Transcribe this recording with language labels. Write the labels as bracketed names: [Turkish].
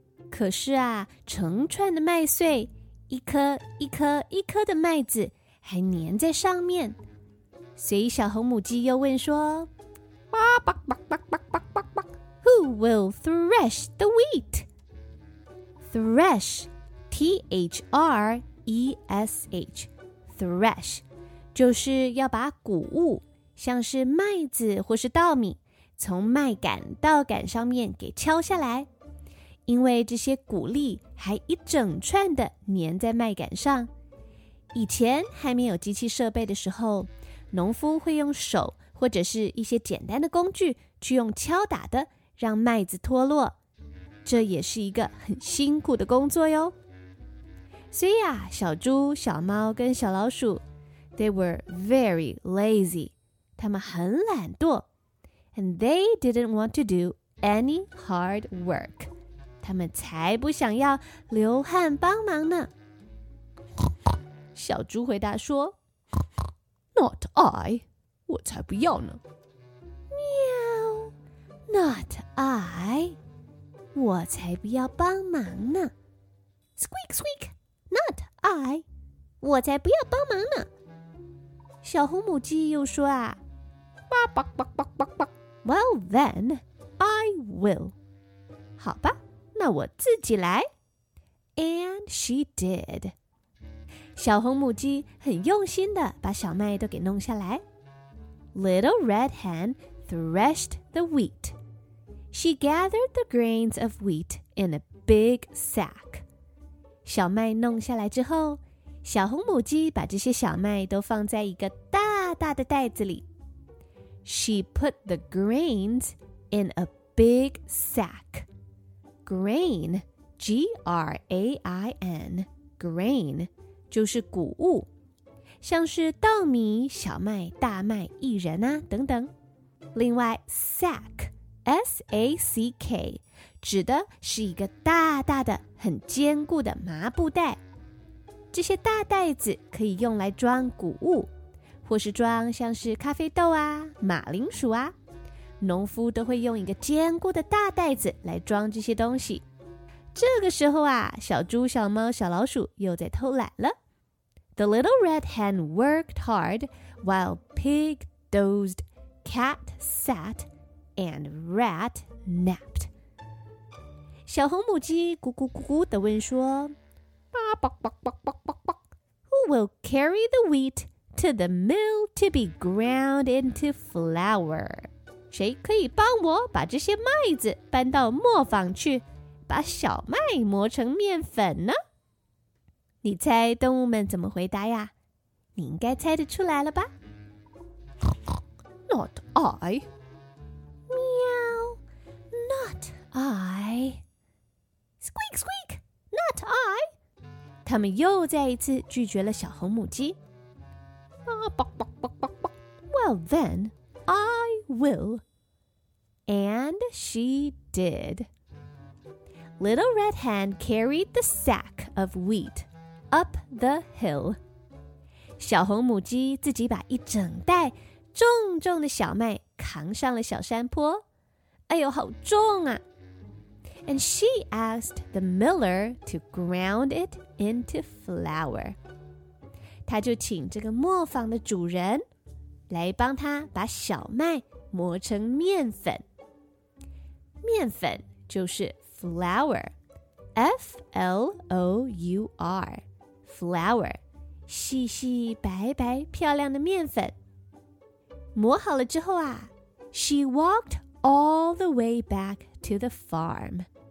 [Chinese] 可是啊，成串的麦穗，一颗一颗一颗的麦子还粘在上面。所以小红母鸡又问说 [English] Who will thresh the wheat? [Chinese] Thresh, T-H-R-E-S-H, thresh, 就是要把谷物，像是麦子或是稻米，从麦秆、稻秆上面给敲下来。因为这些谷粒还一整串的粘在麦秆上。以前还没有机器设备的时候，农夫会用手或者是一些简单的工具去用敲打的让麦子脱落，这也是一个很辛苦的工作哟。所以啊，小猪、小猫跟小老鼠 [English] They were very lazy， [Chinese] 他们很懒惰。 [English] And they didn't want to do any hard work， [Chinese] 他们才不想要流汗帮忙呢。小猪回答说 [English] Not I， [Chinese] 我才不要呢。喵 [English] Not I， [Chinese] 我才不要帮忙呢。 [English] Squeak squeak Not I， [Chinese] 我才不要帮忙呢。小红母鸡又说啊 [English] Well then I will， [Chinese] 好吧，那我自己来。 [English] And she did. [Chinese] 小红母鸡很用心地把小麦都给弄下来。 [English] Little Red Hen threshed the wheat. She gathered the grains of wheat in a big sack. [Chinese] 小麦弄下来之后，小红母鸡把这些小麦都放在一个大大的袋子里。 [English] She put the grains in a big sack. [Chinese] Grain, G-R-A-I-N, grain, 就是谷物，像是稻米、小麦、大麦、薏仁啊等等。另外 sack, S-A-C-K, 指的是一个大大的、很坚固的麻布袋。这些大袋子可以用来装谷物，或是装像是咖啡豆啊、马铃薯啊。农夫都会用一个坚固的大袋子来装这些东西。这个时候啊，小猪、小猫、小老鼠又在偷懒了。 [English] The little red hen worked hard while pig dozed, cat sat, and rat napped. [Chinese] 小红母鸡咕咕咕咕地问说 [English] Who will carry the wheat to the mill to be ground into flour? [Chinese] 谁可以帮我把这些麦子搬到磨坊去，把小麦磨成面粉呢？你猜动物们怎么回答呀？你应该猜得出来了吧 [English] ？Not I. 喵 ，Not I. Squeak squeak, Not I. [Chinese] 他们又再一次拒绝了小红母鸡。 [English] Well then, I will. And she did. Little Red Hen carried the sack of wheat up the hill. [Chinese] 小红母鸡自己把一整袋重重的小麦扛上了小山坡。哎呦，好重啊！ [English] And she asked the miller to ground it into flour. [Chinese] 她就请这个磨坊的主人来帮她把小麦磨成面粉。面粉就是 flour， F-L-O-U-R Flour 细细白白漂亮的面粉磨好了之后啊 [English] She walked all the way back to the farm